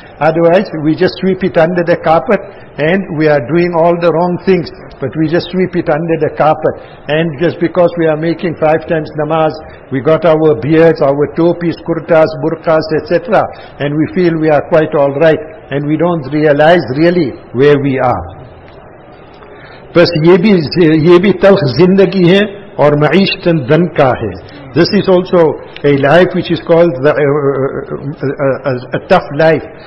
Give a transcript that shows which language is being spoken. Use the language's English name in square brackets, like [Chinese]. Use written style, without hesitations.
[English] Otherwise, we just sweep it under the carpet, and we are doing all the wrong things, but we just sweep it under the carpet. And just because we are making five times namaz, we got our beards, our topis, kurtas, burqas, etc. And we feel we are quite all right, and we don't realize really where we are. [Urdu] بس یہ بھی تلخ زندگی ہے اور معیشت دن کا ہے. [English] This is also a life which is called a tough life.